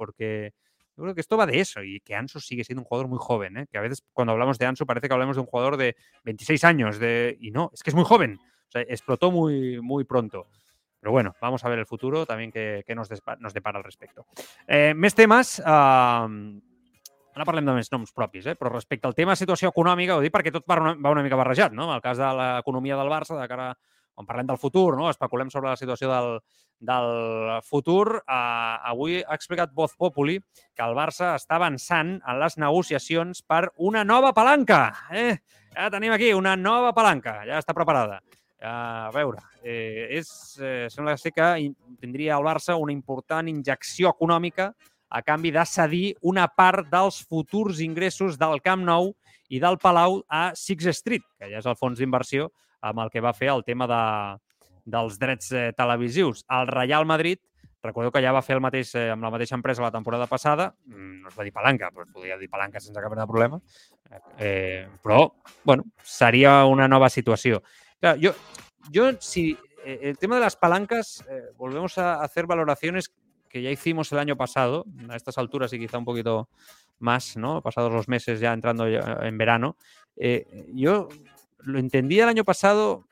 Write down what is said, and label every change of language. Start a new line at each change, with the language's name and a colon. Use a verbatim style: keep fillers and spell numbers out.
Spanish: Porque yo creo que esto va de eso y que Ansu sigue siendo un jugador muy joven, ¿eh? Que a veces cuando hablamos de Ansu parece que hablamos de un jugador de veintiséis años de, y no, es que es muy joven. O sea, explotó muy, muy pronto. Pero bueno, vamos a ver el futuro también que, que nos, despa, nos depara al respecto.
Catalan: Eh, més temes... Uh, Ara parlem de més noms propis, eh? Però respecte al tema situació econòmica, ho dic perquè tot va una, va una mica barrejat, no? En el cas de l'economia del Barça, de cara, quan parlem del futur, no? Especulem sobre la situació del, del futur. Uh, avui ha explicat Voz Populi que el Barça està avançant en les negociacions per una nova palanca. Eh? Ja tenim aquí una nova palanca, ja està preparada. A veure, eh, és, eh, sembla que sí que tindria el Barça una important injecció econòmica a canvi de cedir una part dels futurs ingressos del Camp Nou i del Palau a Sixth Street, que ja és el fons d'inversió amb el que va fer el tema de, dels drets televisius. El Real Madrid, recordeu que ja va fer el mateix amb la mateixa empresa la temporada passada, no es va dir palanca, però es podia dir palanca sense cap mena de problema, eh, però, bueno, seria una nova situació. Clar, jo, jo, si el tema de les palanques,
Spanish: eh, volvemos a hacer valoraciones que ya hicimos el año pasado, a estas alturas y quizá un poquito más, ¿no? Pasados los meses ya entrando en verano. Eh, yo lo entendía el año pasado